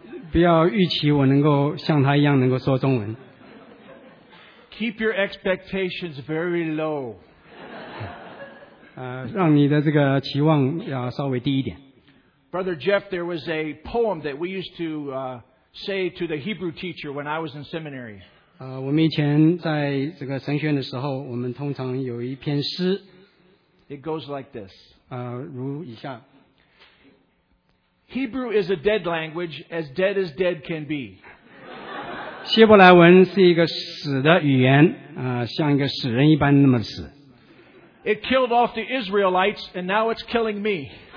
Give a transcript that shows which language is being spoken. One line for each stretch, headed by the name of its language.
Chinese: 不要预期我能够像他一样能够说中文。
English: Keep your expectations very low.
Chinese: 让你的这个期望要稍微低一点。
English: Brother Jeff, there was a poem that we used to say to the Hebrew teacher when I was in seminary.
Chinese: 我们以前在这个神学院的时候，我们通常有一篇诗。
English: It goes like this.
Chinese: 如以下。
English: Hebrew is a dead language, as dead can be.
Chinese: 希伯来文是一个死的语言，像一个死人一般那么死。
English: It killed off the Israelites, and now it's killing me.